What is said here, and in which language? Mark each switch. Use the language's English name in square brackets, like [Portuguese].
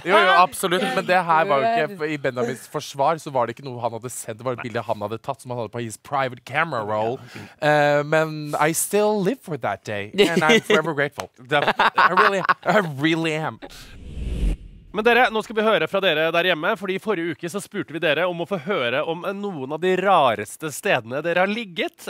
[Norwegian] Jo, absolutt, men det her var jo ikke, i Benjamins forsvar, så var det ikke noe han hadde sendt, det var et bilde han hadde tatt som han hadde på [English] his private camera roll. Men I still live for that day, and I'm forever grateful. I really am. [Norwegian] Men dere, nå skal vi høre fra dere der hjemme, fordi i forrige uke så spurte vi dere om å få høre om noen av de rareste stedene dere har ligget.